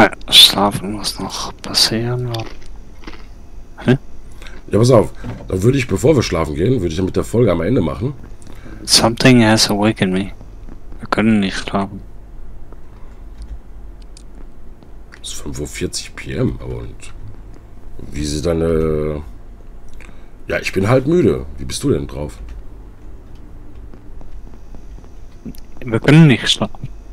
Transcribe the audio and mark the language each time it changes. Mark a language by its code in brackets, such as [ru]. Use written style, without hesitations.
[de] Schlafen muss noch passieren. Hä? Ja, pass auf. Da würde ich, bevor wir schlafen gehen, würde ich mit der Folge am Ende machen. [en] Something has awakened me. [de] Wir können nicht schlafen. Es ist 5.40 Uhr. Und wie sie deine... Ja, ich bin halt müde. Wie bist du denn drauf? Wir können nicht schlafen.